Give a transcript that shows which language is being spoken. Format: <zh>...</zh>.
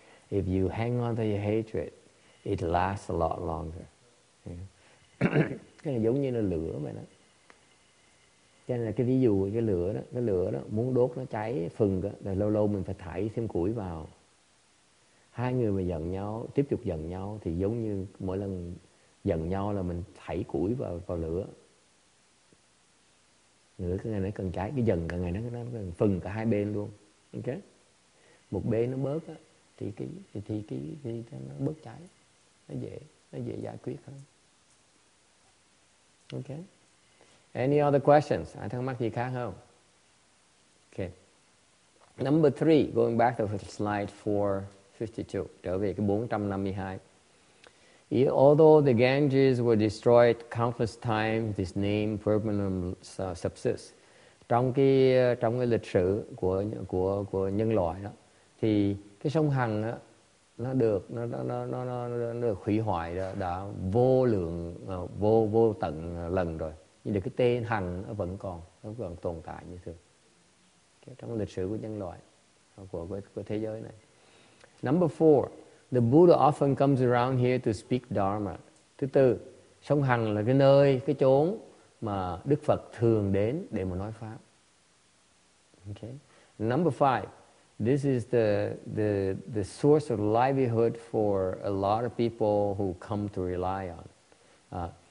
<en>If you hang on to your hatred, it lasts a lot longer.</en> <vi>Cái này giống như là lửa vậy đó. Cho nên là cái ví dụ của cái lửa đó muốn đốt nó cháy phừng đó, là lâu lâu mình phải thảy thêm củi vào. Hai người mà giận nhau, tiếp tục giận nhau thì giống như mỗi lần giận nhau là mình thảy củi vào lửa. Lửa cái ngày nó cần cháy, cái dần cả ngày nó cần phừng cả hai bên luôn. Ok? Một bên nó bớt á, thì nó bớt cháy. Nó dễ giải quyết hơn.</vi> <en>Ok? Any other questions?</en> <vi>Ai thắc mắc gì khác không?</vi> <en>Ok. Number three, going back to slide 452.</en> <vi>Trở về cái 452.</vi> <en>Although the Ganges were destroyed countless times, this name permanently subsists.</en> <vi>Trong cái lịch sử của nhân loại đó, thì cái sông Hằng đó, nó được hủy hoại đã vô tận lần rồi. Nhưng được cái tên Hằng nó vẫn còn tồn tại như thường. Cái trong lịch sử của nhân loại của thế giới này.</vi> <en>Number four. The Buddha often comes around here to speak Dharma.</en> <vi>Thứ tư, sông Hằng là cái nơi, cái chốn mà Đức Phật thường đến để mà nói pháp.</vi> <en>Okay. Number five, this is the source of livelihood for a lot of people who come to rely on.</en>